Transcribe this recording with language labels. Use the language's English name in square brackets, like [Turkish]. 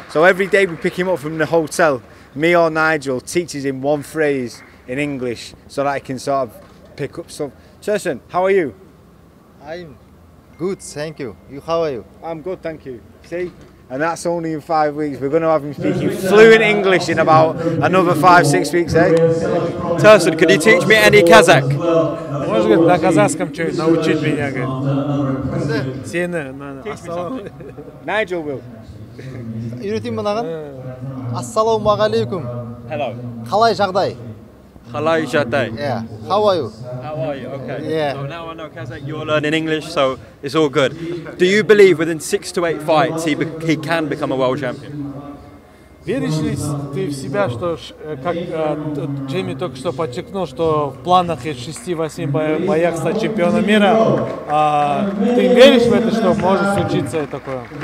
[English] So every day we pick him up from the hotel, me or Nigel teaches him one phrase in English so that I can sort of pick up some. Tursyn, how are you? I'm good, thank you. You, how are you? I'm good, thank you. See? And that's only in 5 weeks. We're going to have him speaking fluent English in about another 5-6 weeks, eh? Tursyn, could you teach me any Kazakh? [Russian] Можешь говорить на казахском что-нибудь научить меня, говорит? [Kazakh] Сені, ассалам. Найджел [English] will. [Kazakh] Үйретейін мынаған? Ассалам алейкум. [English] Hello. [Kazakh] Қалай жағдай? Халай жатай. [English] Yeah. How are you? How are you? Okay. Yeah. So now I know Kazakh, you're learning English, so it's all good. Do you believe within 6 to 8 fights he can become a world champion? [Russian] Веришь ли ты в себя, что, как Джейми только что подчеркнул, что в планах есть 6-8 боях стать чемпионом мира, ты веришь в это, что может случиться такое?